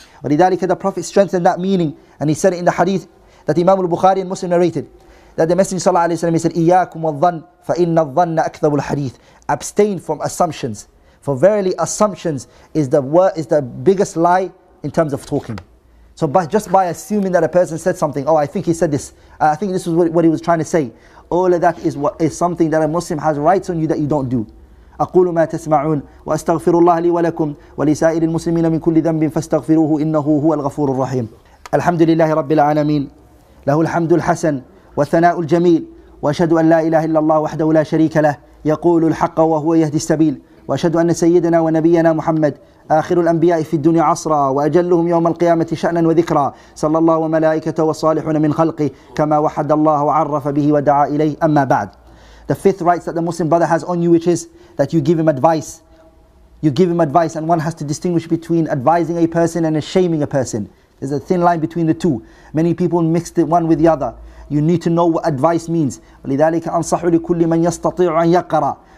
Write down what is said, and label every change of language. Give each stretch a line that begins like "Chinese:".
English: ولذلك, the Prophet strengthened that meaning, and he said it in the hadith that Imam al-Bukhari and Muslim narrated, that the Messenger sallallahu alayhi wa sallam, he said,
Arabic: إِيَّاكُمْ وَالظَّنِّ فَإِنَّ الظَّنَّ أَكْثَبُ الْحَدِيثِ.
English: Abstain from assumptions, For verily, assumptions is the biggest lie in terms of talking. So by assuming that a person said something, oh, I think he said this, I think this is what he was trying to say, all of that is something that a Muslim has rights on you that you don't do.
Arabic: أقول ما تسمعون وأستغفر الله لي ولكم ولسائر المسلمين من كل ذنب فاستغفروه إنه هو الغفور الرحيم الحمد لله رب العالمين له الحمد الحسن والثناء الجميل وأشهد أن لا إله إلا الله وحده لا شريك له يقول الحق وهو يهدي السبيل وأشهد أن سيدنا ونبينا محمد آخر الأنبياء في الدنيا عصرا وأجلهم يوم القيامة شأنا وذكرا صلى الله وملائكته وصالحون من خلقه كما وحد الله وعرف به ودعا إليه أما بعد.
English: The fifth rights that the Muslim brother has on you, which is that you give him advice. You give him advice, and one has to distinguish between advising a person and shaming a person. There's a thin line between the two. Many people mix the one with the other. You need to know what advice means.
Arabic: وَلِذَلِكَ أَنصَحُ لِكُلِّ مَنْ يَسْتَطِيعُ أَنْ يَقْرَى.